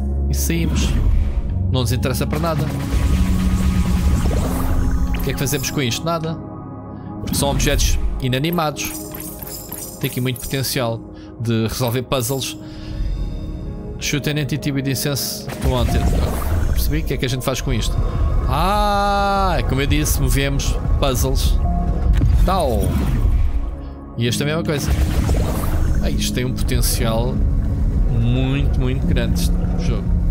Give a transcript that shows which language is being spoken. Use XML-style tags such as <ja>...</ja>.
<pt>E saímos. Não nos interessa para nada. O que é que fazemos com isto? Nada. Porque são objetos inanimados. Tem aqui muito potencial de resolver puzzles.</pt> <en>Shoot an entity with incense to want it.</en> <pt>Percebi? O que é que a gente faz com isto? Ah, como eu disse, movemos puzzles. Tal. E esta é a mesma coisa. Ah, isto tem um potencial muito, muito grande, este jogo.</pt>